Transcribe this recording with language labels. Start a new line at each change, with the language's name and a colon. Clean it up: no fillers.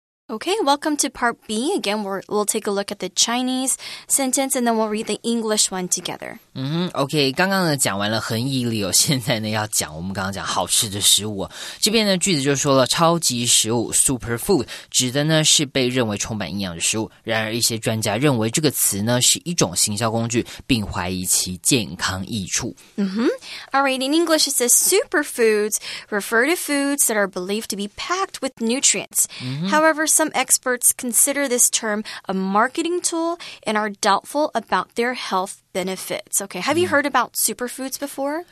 English: Okay, welcome to part B. Again, we'll take a look at the Chinese sentence and then we'll read the English one together.
Chinese: Okay, 刚刚呢讲完了恒毅力哦，现在呢要讲我们刚刚讲好吃的食物哦。这边呢句子就说了超级食物 super food 指的呢是被认为充满营养的食物。然而一些专家认为这个词呢是一种行销工具，并怀疑其健康益处。
English: Alright, in English it says super foods refer to foods that are believed to be packed with nutrients. However, some some experts consider this term a marketing tool and are doubtful about their health benefits. Okay, have you heard about superfoods before?